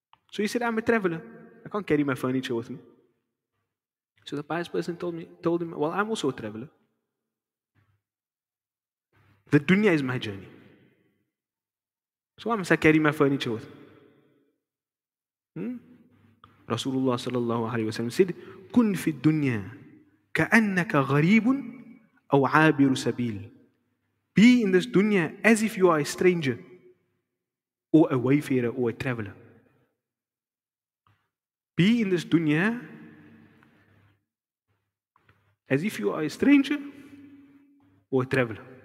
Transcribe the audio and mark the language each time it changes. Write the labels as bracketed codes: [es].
[en] So he said, I'm a traveler. I can't carry my furniture with me. So the pious person told him, well, I'm also a traveler. The dunya is my journey. So why must I carry my furniture with me? [ar] Rasulullah sallallahu alayhi wa sallam said, كن في الدنيا كأنك غريب أو عابر سبيل. [en] Be in this dunya as if you are a stranger or a wayfarer or a traveler. Be in this dunya as if you are a stranger or a traveler.